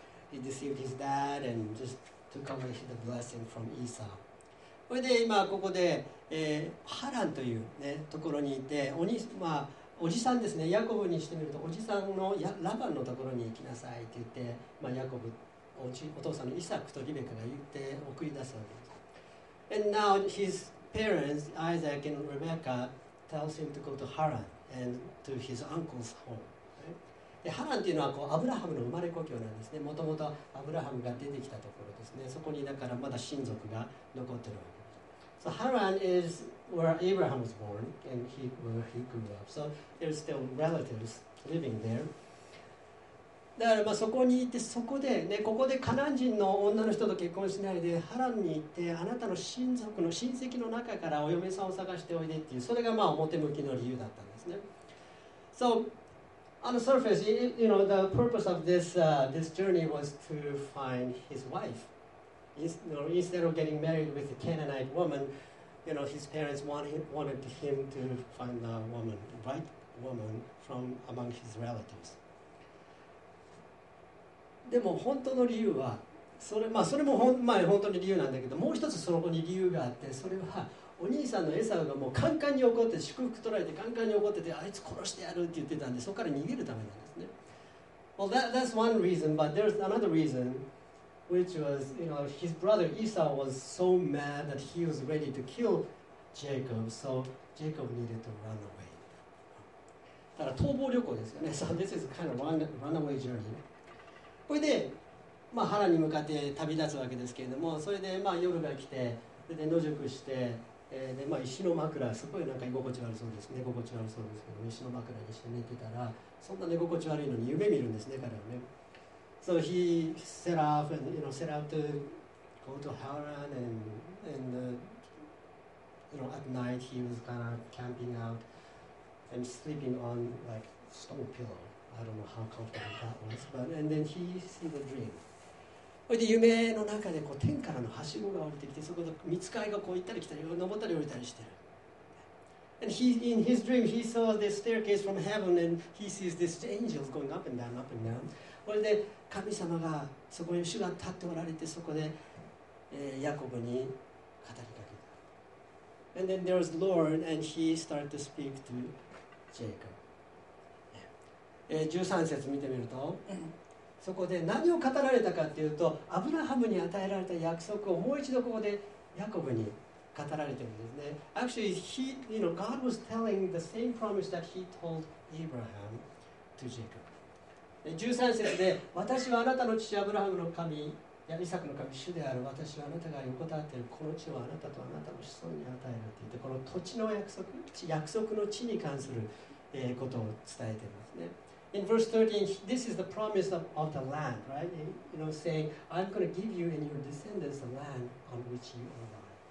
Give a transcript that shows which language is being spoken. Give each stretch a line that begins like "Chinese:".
English: He deceived his dad and just took away the blessing from Esau.
Japanese: それで今ここで、ハランという、ね、ところにいて、お兄、まあ、おじさんですね。ヤコブにしてみるとおじさんのラバンのところに行きなさいって言って、まあ、ヤコブお父さんのイサクとリベカが言って送り出すわけです。
English: And now his parents, Isaac and Rebecca, tells him to go to Haran and to his uncle's home.、Right?
Japanese: で、ハランっていうのはこうアブラハムの生まれ故郷なんですね。もともとアブラハムが出てきたところですね。そこにだからまだ親族が残ってるわけです。
English: So Haran is where Abraham was born and where he grew up. So there's still relatives living there.
Japanese: だからまあそこに行ってそこで、ね、ここでカナン人の女の人と結婚しないでハランに行ってあなたの親族の親戚の中からお嫁さんを探しておいでっていうそれがまあ表向きの理由だったんですね。
English: So On the surface, you know, the purpose of this, this journey was to find his wife. You know, instead of getting married with a Canaanite woman, you know, his parents wanted him to find a woman, the right woman from among his relatives.
Japanese: でも本当の理由はそれ、まあ、それも本、まあ、本当に理由なんだけど、もう一つそこに理由があって、それはお兄さんのエサウがもうカンカンに怒って、祝福取られてカンカンに怒ってて、あいつ殺してやるって言ってたんで、そこから逃げるためなんですね。
English: Well, that's one reason, but there's another reason, which was, you know, his brother Esau was so mad that he was ready to kill Jacob, so Jacob needed to run away.
Japanese: だから逃亡旅行ですよね。
English: So this is kind of runaway journey.
Japanese: それで、まあ、ハランに向かって旅立つわけですけれども、それで、まあ、夜が来て、それで野宿して、でまあ、石の枕、すごいなんか居心地悪そうです、寝心地悪そうですけど、石の枕にして寝てたら、そんな寝心地悪いのに夢見るんですね、彼はね。
English: So he set off and, you know, set out to go to Haran and you know, at night he was kind of camping out and sleeping on like stone pillow. I don't know how comfortable that was, but and then he sees a dream.
Japanese: で夢の中でこう天からのはしごが降りてきて、そこで御使いがこう行ったり来たり、登ったり降りたりしてる。
English: And he, in his dream, he saw the staircase from heaven, and he sees these angels going up and down, up and down.
Japanese: それで神様がそこに主が立っておられて、そこで、ヤコブに語りかけた。
English: And then there was the Lord, and he started to speak to Jacob.
Japanese: 13節見てみると、そこで何を語られたかっていうと、アブラハムに与えられた約束をもう一度ここでヤコブに語られてるんですね。
English: Actually, he, you know, God was telling the same promise that he told Abraham to Jacob.
Japanese: 13節で、私はあなたの父アブラハムの神、イサクの神、主である。私はあなたが横たわっているこの地をあなたとあなたの子孫に与えるって言って、この土地の約束、約束の地に関する、ことを伝えてますね。
English: In verse 13, this is the promise of the land, right? You know, saying, I'm going to give you and your descendants the land on which you are lying.